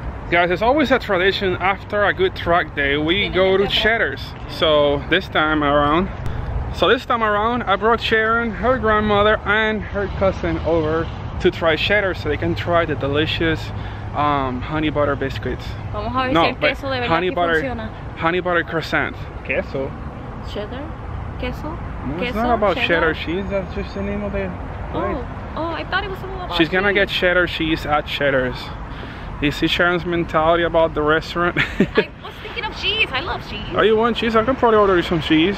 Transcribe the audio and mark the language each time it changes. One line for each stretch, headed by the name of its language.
English: Guys, it's always a tradition after a good track day, we go to Cheddar's. So this time around, I brought Sharon, her grandmother, and her cousin over to try Cheddar's so they can try the delicious honey butter biscuits.
Spanish: Vamos a ver si el queso de verdad funciona.
English: Honey butter croissant.
Spanish: Queso. Cheddar? Queso?
English: No, it's
Spanish: queso?
English: Not about cheddar cheese, that's just the name of the place. Oh, I thought it was something about She's gonna get cheddar cheese at Cheddar's. You see Sharon's mentality about the restaurant? I was thinking of cheese. I love cheese. Oh, you want cheese? I can probably order you some cheese.